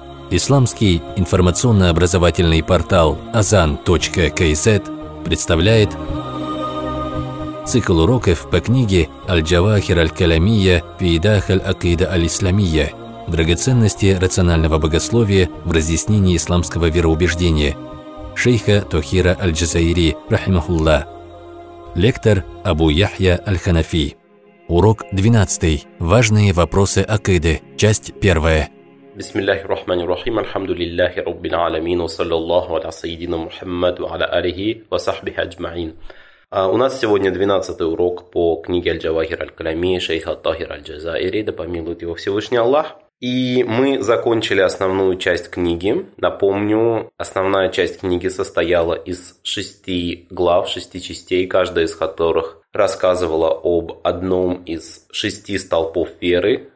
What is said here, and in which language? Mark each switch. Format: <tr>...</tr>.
<ru>Исламский информационно-образовательный портал azan.kz представляет цикл уроков по книге «Аль-Джавахир аль-Калямия фиидах аль-Акида аль-Исламия» «Драгоценности рационального богословия в разъяснении исламского вероубеждения» шейха Тохира аль-Джазаири, рахимахулла. Лектор Абу Яхья аль-Ханафи. Урок 12. Важные вопросы акиды. Часть 1.</ru> <ar>بسم الله الرحمن الرحيم الحمد لله رب العالمين وصلى الله على سيدنا محمد وعلى آله وصحبه أجمعين.</ar> <ru>У нас сегодня 12 урок по книге Аль-Джавахир аль-Калями шейха Тахир аль-Джазаири, да помилует его Всевышний Аллах. И мы закончили основную часть книги. Напомню, основная часть книги состояла из 6 глав, 6 частей, каждая из которых рассказывала об одном из 6 столпов веры.</ru>